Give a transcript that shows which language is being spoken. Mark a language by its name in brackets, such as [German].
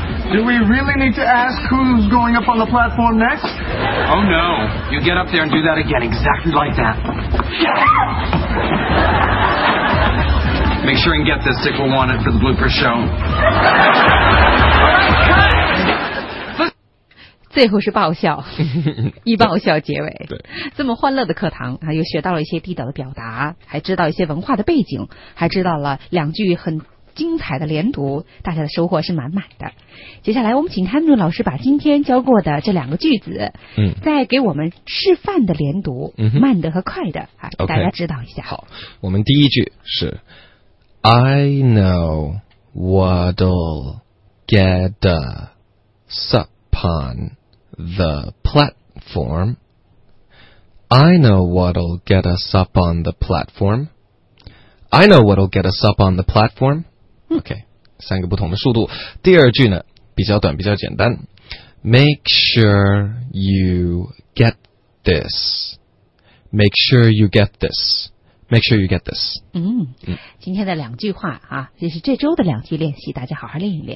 [English] Do we really need to ask who's going up on the platform next? Oh, no. You get up there and do that again, exactly like that. Yes! Make sure and get this. Dick will want it for the blooper show. All right, cut! [Chinese] 最后是爆笑，一爆笑结尾。对，这么欢乐的课堂啊，又学到了一些地道的表达，还知道一些文化的背景，还知道了两句很精彩的连读，大家的收获是满满的。接下来我们请汉诺老师把今天教过的这两个句子嗯再给我们示范的连读、嗯、慢的和快的啊、 [English] okay, [Chinese] 大家知道一下。好，我们第一句是 [English] I know what'll get us up on the platform. I know what'll get us up on the platform. I know what'll get us up on the platform. [Chinese] OK, 三个不同的速度。第二句呢比较短比较简单。 [English] Make sure you get this. Make sure you get this. Make sure you get this. [Chinese] 嗯, 嗯今天的两句话啊这是这周的两句练习大家好好练一练。